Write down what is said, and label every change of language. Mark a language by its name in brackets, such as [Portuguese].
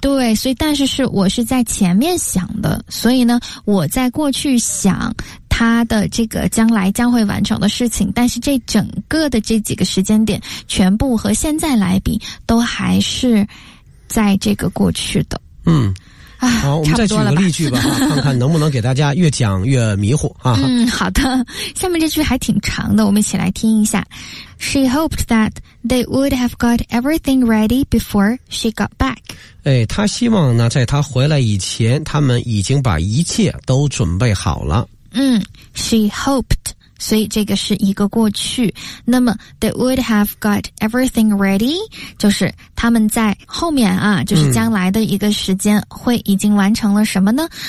[Chinese] 对，所以但是是我是在前面想的，所以呢我在过去想他的这个将来将会完成的事情，但是这整个的这几个时间点全部和现在来比都还是在这个过去的。嗯，好，我们再举个例句 吧看看能不能给大家越讲越迷糊啊。嗯，好的，下面这句还挺长的，我们一起来听一下。 [English] She hoped that they would have got everything ready before she got back. [Chinese] 哎，她希望呢在她回来以前他们已经把一切都准备好了。嗯， [English] She hoped， [Chinese] 所以这个是一个过去。那么 [English] they would have got everything ready [Chinese] 就是他们在后面啊，就是将来的一个时间会已经完成了什么呢？